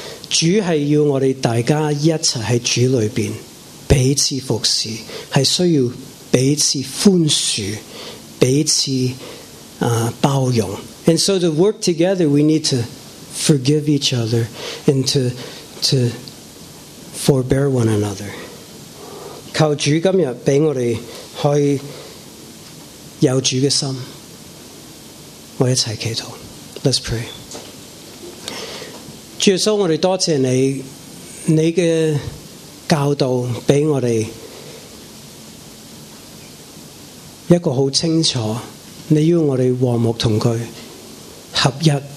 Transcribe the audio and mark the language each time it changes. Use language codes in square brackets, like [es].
[zh] 主是要我们大家一起在主里面彼此服侍，是需要彼此宽恕，彼此包容。 [en] And so to work together, we need to forgive each other and to forbear one another. [zh] 求主今天让我们可以有主的心。我一起祈祷 [en] Let's pray [zh] 主耶稣我们多谢你你的教导给我们一个很清楚你要我们和睦同居合一